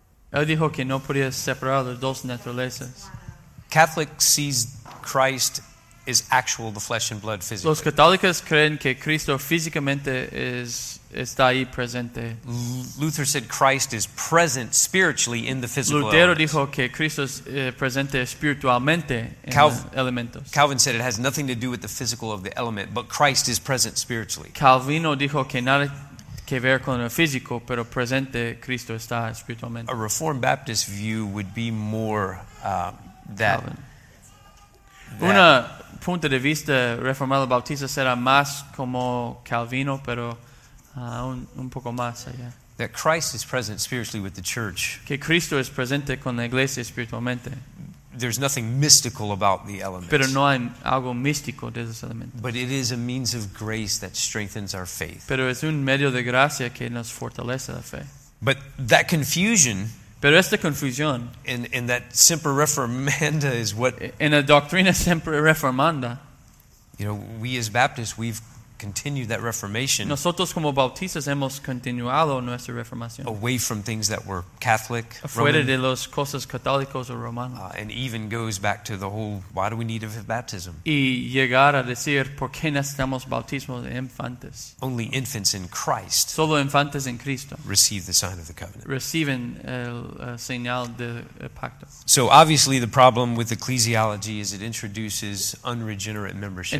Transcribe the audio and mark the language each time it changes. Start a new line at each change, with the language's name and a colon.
Spanish: Él dijo que no podía separar las dos naturalezas.
English: Catholic sees Christ is actual, the flesh and blood physically.
Spanish: Los católicos creen que Cristo físicamente está ahí presente.
English: Luther said Christ is present spiritually in the physical
Spanish: Lutero
English: elements.
Spanish: Dijo que Cristo es presente espiritualmente en los elementos.
English: Calvin said it has nothing to do with the physical of the element, but Christ is present spiritually.
Spanish: Calvino dijo que nada que ver con el físico, pero presente Cristo está espiritualmente.
English: A Reformed Baptist view would be more that Calvin.
Spanish: Una punto de vista reformado bautista será más como Calvino, pero un poco más allá.
English: That Christ is present spiritually with the church.
Spanish: Que Cristo es presente con la iglesia espiritualmente.
English: There's nothing mystical about the elements.
Spanish: Pero no hay algo místico de esos elementos.
English: But it is a means of grace that strengthens our faith.
Spanish: Pero es un medio de gracia que nos fortalece la fe.
English: But that confusion.
Spanish: Pero esta confusión
English: in that semper reformanda is what
Spanish: in a doctrina semper reformanda.
English: You know, we as Baptists, we've continued that reformation.
Spanish: Nosotros como bautistas hemos continuado nuestra reformación.
English: Away from things that were Catholic.
Spanish: Afuera
English: Roman,
Spanish: de los cosas católicos o romanos.
English: And even goes back to the whole why do we need a baptism?
Spanish: Y llegar a decir por qué necesitamos bautismo de infantes.
English: Only infants in Christ.
Spanish: Solo infantes en Cristo.
English: Receive the sign of the covenant.
Spanish: Reciben el señal del pacto.
English: So obviously the problem with ecclesiology is it introduces unregenerate membership.